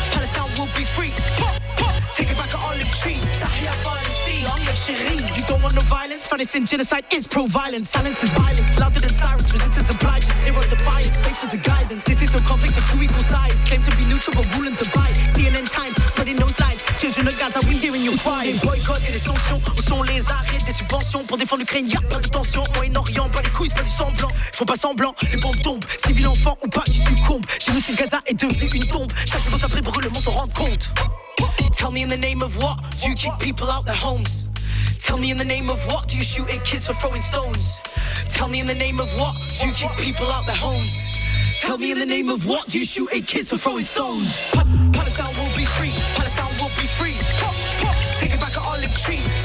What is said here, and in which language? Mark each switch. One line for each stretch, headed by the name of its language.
English: Palestine will be free. Take it back to olive trees. You don't want no violence, fantasy and genocide is pro-violence. Silence is violence, louder than sirens. Resistance obliges, zero defiance, faith is a guidance. This is no conflict of two equal sides. Claim to be neutral but rule and divide. CNN Times, spreading those lies. Children of Gaza, we're hearing your cry.
French: Des boycotts et des sanctions, où sont les arrêts des subventions? Pour défendre l'Ukraine, y'a pas de tension. Moyen-Orient, pas les couilles, pas du semblant. Ils font pas semblant, les bombes tombent. Civils enfants ou pas, tu succombes. Génocide Gaza est devenu une tombe. Chaque seconde après, brûle le monde s'en rend compte.
English: Tell me in the name of what do you kick people out their homes? Tell me in the name of what do you shoot at kids for throwing stones? Tell me in the name of what do you kick people out their homes? Tell me in the name of what do you shoot at kids for throwing stones? Palestine will be free. Palestine will be free. Take it back to olive trees.